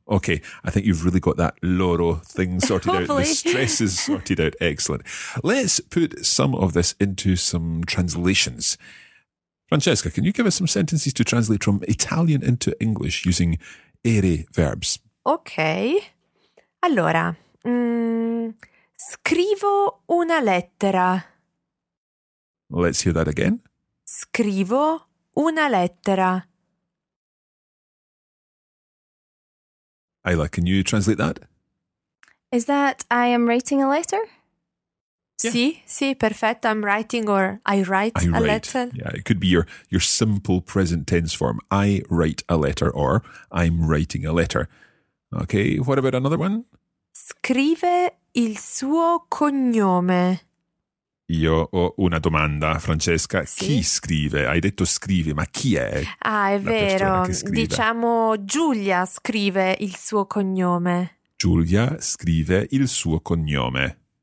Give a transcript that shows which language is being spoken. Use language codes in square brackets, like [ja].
[en] Okay, I think you've really got that loro thing sorted out. The stress is sorted out. Excellent. Let's put some of this into some translations. Francesca, can you give us some sentences to translate from Italian into English using ere verbs? Okay. [it] Allora, scrivo una lettera. [en] Let's hear that again. [it] Scrivo una lettera. [en] Ayla, can you translate that? Is that I am writing a letter? [it] Yeah. Sì, sì, perfetto. [en] I'm writing or I write a letter. Yeah, it could be your simple present tense form. I write a letter or I'm writing a letter. Okay, what about another one? [it] Scrive il suo cognome. Io ho una domanda, Francesca. Sì? Chi scrive? Hai detto scrive, ma chi è? Ah, è vero. Diciamo Giulia scrive il suo cognome. Giulia scrive il suo cognome.